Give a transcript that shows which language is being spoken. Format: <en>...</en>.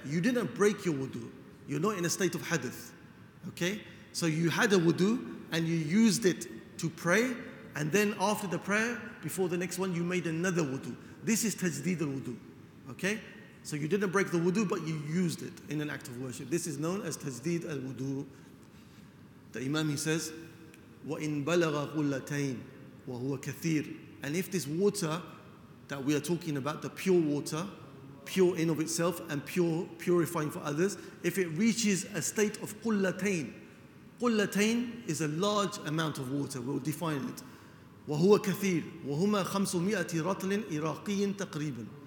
<en>You didn't break your wudu. You're not in a state of hadith, okay? So you had a wudu and you used it to pray, and then after the prayer, before the next one, you made another wudu. This is tajdeed al-wudu, okay? So you didn't break the wudu, but you used it in an act of worship. This is known as tajdeed al-wudu. The Imam, he says,</en> <ar>وَإِن بَلَغَ قُلَّتَيْن وَهُوَ كَثِيرٌ.</ar> <en>And if this water that we are talking about, the pure water, pure in of itself and pure purifying for others, if it reaches a state of قُلَّتَيْن, قُلَّتَيْن is a large amount of water, we'll define it.</en> <ar>وَهُوَ كَثِيرٌ وَهُمَا 500 رَطْلٍ إِرَاقِيٍ تَقْرِيبًا.</ar>